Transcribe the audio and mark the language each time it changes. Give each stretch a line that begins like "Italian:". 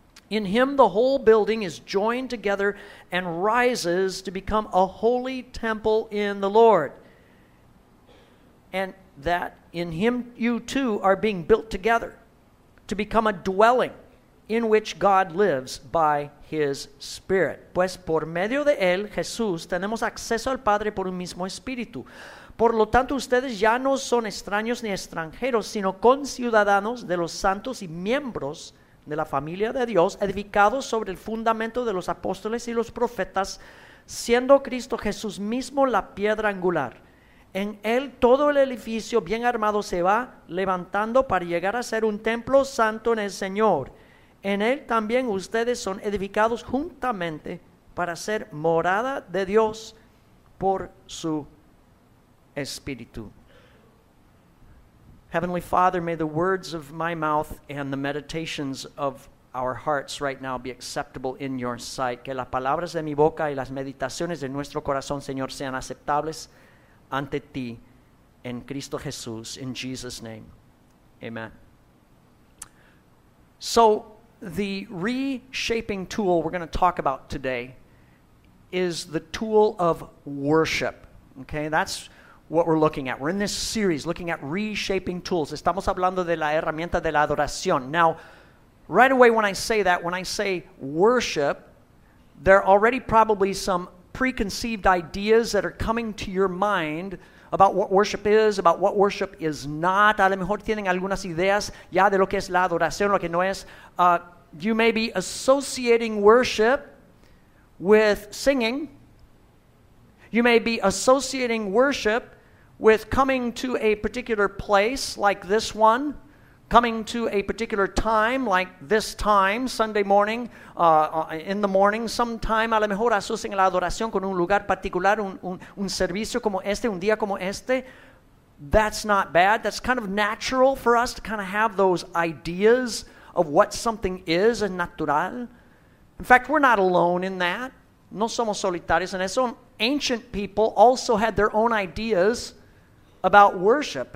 English: In him, the whole building is joined together and rises to become a holy temple in the Lord. And that in him, you too are being built together to become a dwelling in which God lives by his Spirit.
Spanish: Pues por medio de él, Jesús, tenemos acceso al Padre por un mismo Espíritu. Por lo tanto, ustedes ya no son extraños ni extranjeros, sino conciudadanos de los santos y miembros de la familia de Dios, edificados sobre el fundamento de los apóstoles y los profetas, siendo Cristo Jesús mismo la piedra angular. En él todo el edificio bien armado se va levantando para llegar a ser un templo santo en el Señor. En él también ustedes son edificados juntamente para ser morada de Dios por su Espíritu.
English: Heavenly Father, may the words of my mouth and the meditations of our hearts right now be acceptable in your sight.
Spanish: Que las palabras de mi boca y las meditaciones de nuestro corazón, Señor, sean aceptables ante ti, en Cristo Jesús,
English: in Jesus' name. Amen. So, the reshaping tool we're going to talk about today is the tool of worship. Okay, that's what we're looking at. We're in this series looking at reshaping tools.
Spanish: Estamos hablando de la herramienta de la adoración.
English: Now, right away when I say that, when I say worship, there are already probably some preconceived ideas that are coming to your mind about what worship is, about what worship is not.
Spanish: A lo mejor tienen algunas ideas ya de lo que es la adoración, lo que no es.
English: You may be associating worship with singing. You may be associating worship with coming to a particular place like this one, coming to a particular time like this time, Sunday morning, in the morning, sometime.
Spanish: A lo mejor asocian la adoración con un lugar particular, un servicio como este, un día como este.
English: That's not bad. That's kind of natural for us to kind of have those ideas of what something is and natural. In fact, we're not alone in that.
Spanish: No somos solitarios en eso.
English: Ancient people also had their own ideas about worship.